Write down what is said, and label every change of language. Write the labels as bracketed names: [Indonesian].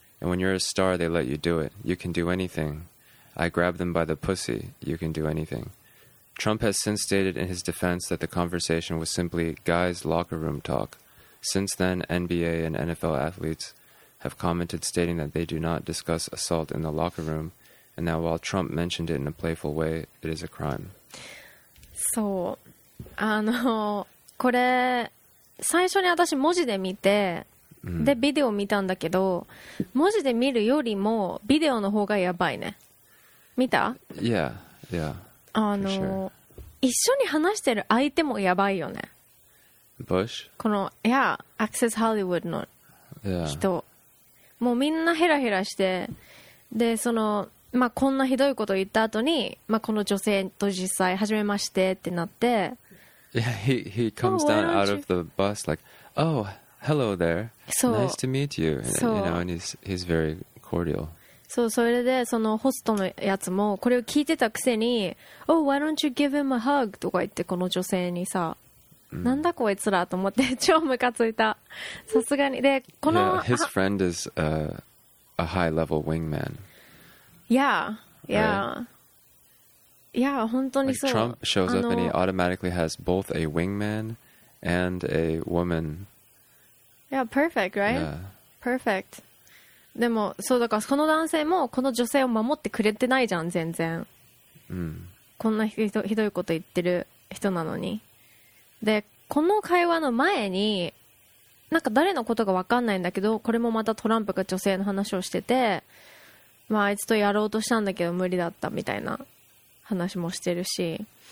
[English] And when you're a star, they let you do it. You can do anything. I grab them by the pussy. You can do anything. Trump has since stated in his defense that the conversation was simply guys' locker room talk. Since then, NBA and NFL athletes have commented stating that they do not discuss assault in the locker room. And now, while Trump mentioned it in a playful way, it is a crime. [Japanese] そう、これ最初に私文字で見て、でビデオ見たんだけど、文字で見るよりもビデオの方がやばいね。見た？ [English] Yeah, yeah. Sure. [Japanese] 一緒に話してる相手もやばいよね。 [English] Bush? [Japanese] この Yeah, Access Hollywood の人、 [English] yeah. [Japanese] もうみんなヘラヘラして、でそのまあ、こんなひどいことを言った後に、まあ、この女性と実際初めましてってなって、 [English] Yeah, he comes down out of the bus like, Oh, hello there. Nice to meet you. You know, and he's very cordial. [Japanese] そう、それでそのホストのやつもこれを聞いてたくせに、 [English] Oh, why don't you give him a hug? [Japanese] とか言って、この女性にさ、なんだこいつらと思って超ムカついた。さすがに。で、この、 [English] yeah, his friend is a high level wingman. Yeah, yeah. Yeah, [Japanese] 本当にそう。 [English] Like Trump shows up and he automatically has both a wingman and a woman. Yeah, perfect, right? Yeah. Perfect. [Japanese] でも、そうだから、この男性もこの女性を守ってくれてないじゃん、全然。こんなひどいこと言ってる人なのに。で、この会話の前に、なんか誰のことか分かんないんだけど、これもまたトランプが女性の話をしてて、まあ、あいつとやろうとしたんだけど無理だったみたいな話もしてるし、